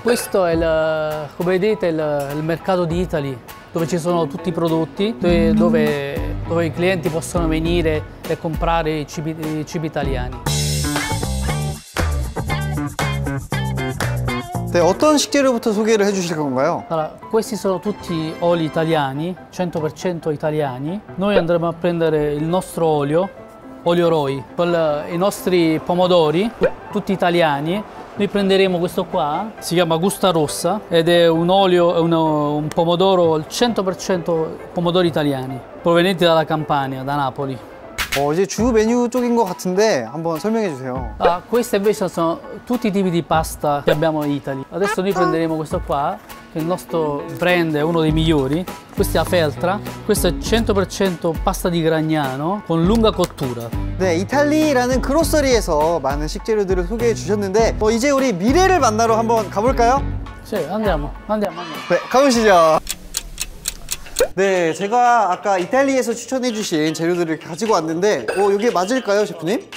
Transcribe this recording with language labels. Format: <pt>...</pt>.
<it>Questo è il, come vedete, il mercato di Italy, dove ci sono tutti i prodotti, dove i clienti possono venire e comprare i cibi italiani.</it> <ko>네, 어떤 식재료부터 소개를 해주실 건가요?</ko> <it>Allora, questi sono tutti oli italiani, 100% italiani. Noi andremo a prendere il nostro olio, olio Roy, i nostri pomodori, tutti italiani. Noi prenderemo questo qua, si chiama Gusta Rossa, ed è un olio, un pomodoro, 100% pomodori italiani, provenienti dalla Campania, da Napoli.</it> <ko>이제 주 메뉴 쪽인 것 같은데 한번 설명해 주세요.</ko> <it>Questo invece sono tutti i tipi di pasta che abbiamo in Italy. Adesso noi prenderemo questo qua, che il nostro brand è uno dei migliori. Questa è la feltra. Questa è 100% pasta di Gragnano con lunga cottura.</it> <ko>네, 이탈리라는 그로서리에서 많은 식재료들을 소개해 주셨는데 이제 우리 미래를 만나러 한번 가볼까요? 네, 안녕하세요. 네, 가보시죠. 네, 제가 아까 이탈리아에서 추천해 주신 재료들을 가지고 왔는데 이게 맞을까요, 셰프님?</ko>